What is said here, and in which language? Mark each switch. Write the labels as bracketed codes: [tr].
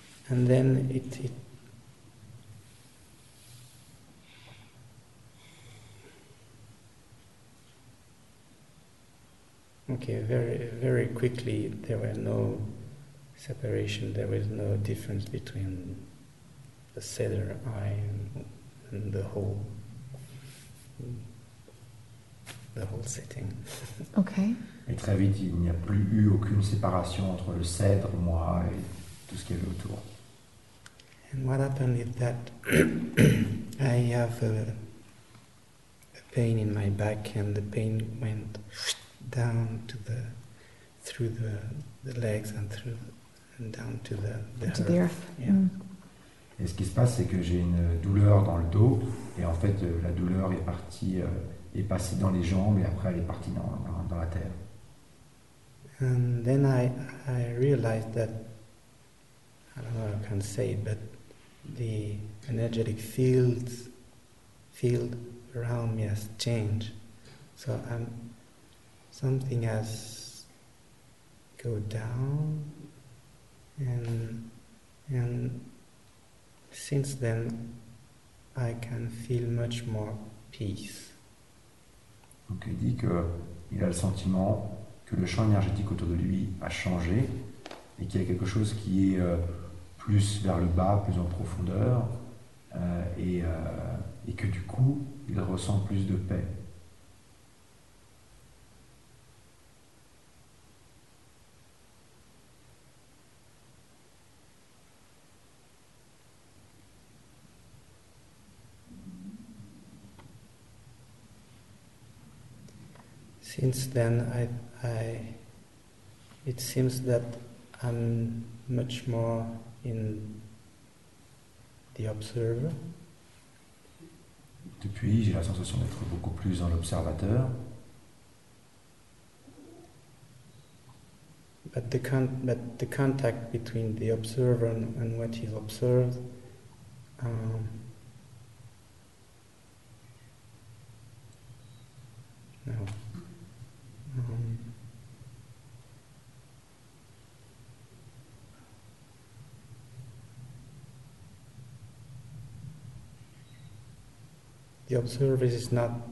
[en] And then it okay, very, very quickly, there were no separation, there was no difference between the seder, I, and the whole setting. Okay. [fr] Et très vite, il n'y a plus eu aucune séparation entre le seder, moi, et tout ce qu'il y avait autour. [en] And what happened is that I have a pain in my back, and the pain went down to the through the legs and through and down to the earth. Yeah. Mm. [fr] Et ce qui se passe, c'est que j'ai une douleur dans le dos, et en fait, la douleur est partie, est passée dans les jambes, et après, elle est partie dans la terre. [en] And then I realized that I don't know how I can say it, but the energetic field around me has changed, so something has go down, and since then I can feel much more peace. [fr] Donc il dit que il a le sentiment que le champ énergétique autour de lui a changé et qu'il y a quelque chose qui est plus vers le bas, plus en profondeur, et que du coup, il ressent plus de paix. [en] Since then, I it seems that I'm much more in the observer. [fr] Depuis, j'ai la sensation d'être beaucoup plus dans l'observateur. [en] But the contact between the observer and what he observes the observer is not.